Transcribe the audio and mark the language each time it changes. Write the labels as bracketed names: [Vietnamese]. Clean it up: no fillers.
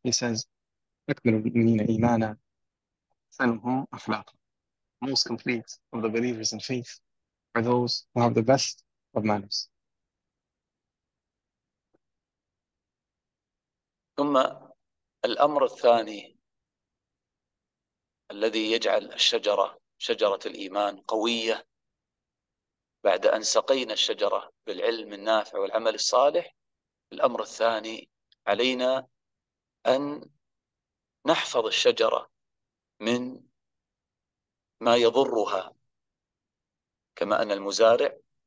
[English] He says, [Arabic] أكمل المؤمنين إيمانا أحسنهم أخلاقا. [English] Most complete of the believers in faith are those who have the best of manners. [Arabic] ثم الأمر الثاني الذي يجعل الشجرة، شجرة الإيمان، قوية بعد أن سقينا الشجرة بالعلم النافع والعمل الصالح، الأمر الثاني علينا أن نحفظ الشجرة من ما يضرها، كما أن المزارع